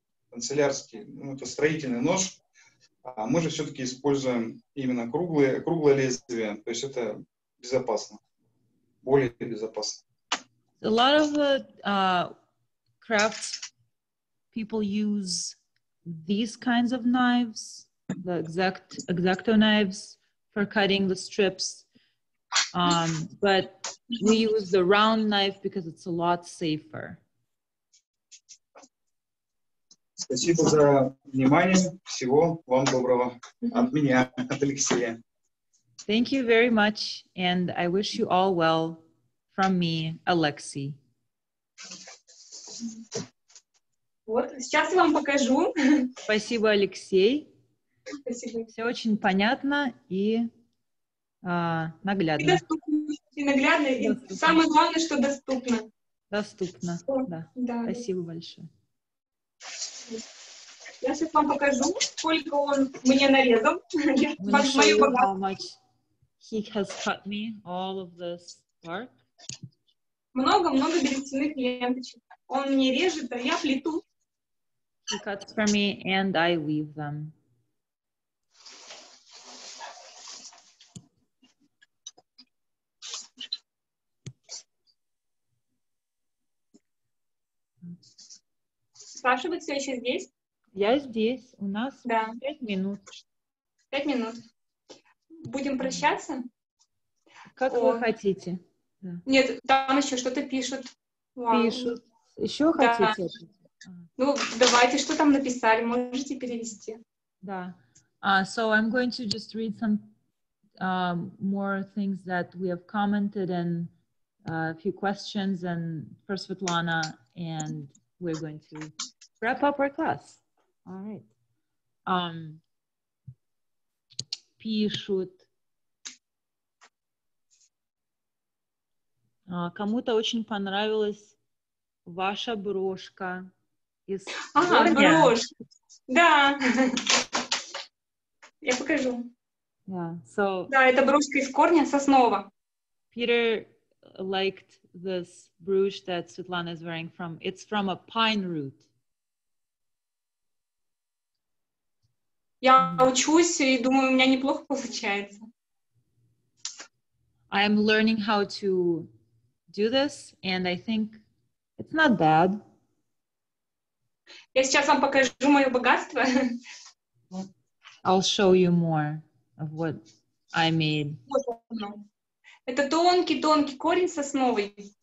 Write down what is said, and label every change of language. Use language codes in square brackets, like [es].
[ru] Канцелярский, ну, это строительный нож, а мы же все-таки используем именно круглое лезвие, то есть это безопасно, более безопасно. [en] A lot of the crafts people use these kinds of knives, the exacto knives for cutting the strips, but we use the round knife because it's a lot safer. [ru] Спасибо за внимание. Всего вам доброго. От меня, от Алексея. [en] Thank you very much, and I wish you all well from me, Alexei. [ru] Вот, сейчас я вам покажу. Спасибо, Алексей. Спасибо. Все очень понятно и наглядно. И доступно, и наглядно, и самое главное, что доступно. Доступно, да. Да. Спасибо большое. Я сейчас вам покажу, сколько он мне нарезал. Мою [en] how much he has cut me all of this bark. [ru] Много-много берестяных ленточек. Он мне режет, а я плету. [en] He cuts for me and I weave them. [ru] Саша, вы все еще здесь? Я здесь. У нас да. 5 минут. 5 минут. Будем прощаться? Как вы хотите. Да. Нет, там еще что-то пишут. Вау. Пишут. Еще да. Хотите? Ну, давайте, что там написали, можете перевести. Да. [en] So I'm going to just read some more things that we have commented and a few questions and for Svetlana and we're going to wrap up our class. All right. [ru] Пишут. Кому-то очень понравилась ваша брошка из Ага, брошка. Да. Я покажу. [en] Yeah. So, [ru] да, это брошка из корня соснова. [en] Peter liked this brooch that Svetlana is wearing from. It's from a pine root. [ru] Я учусь и думаю, у меня неплохо получается. [en] I am learning how to do this, and I think It's not bad. [ru] Я сейчас вам покажу мое богатство. [en] I'll show you more of what I made. [ru] Это тонкий-тонкий корень сосновый.